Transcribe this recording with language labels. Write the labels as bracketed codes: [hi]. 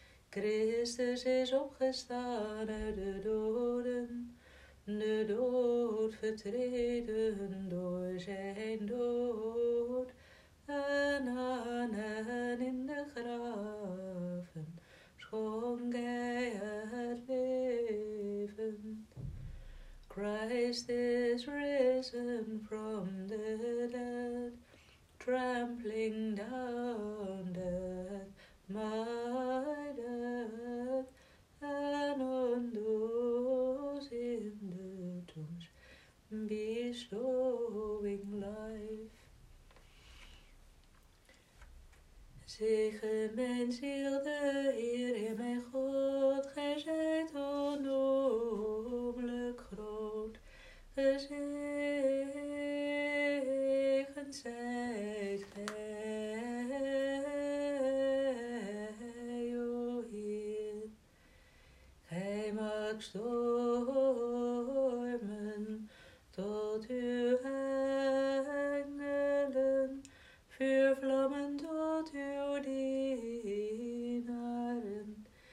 [nl] Christus is opgestaan uit de doden, de dood vertreden door zijn dood, en aan hen in de graven schonk hij het leven. [en] Christ is risen from the dead, trampling down death, my death, and on those in the tombs bestowing life. [nl] Zegen mijn ziel de Heer, Heer mijn God, gij zijt onnoemelijk groot. Gezegend zijt gij, o Heer, gij maakt stormen tot uw engelen, vuurvlammen tot uw dienaren.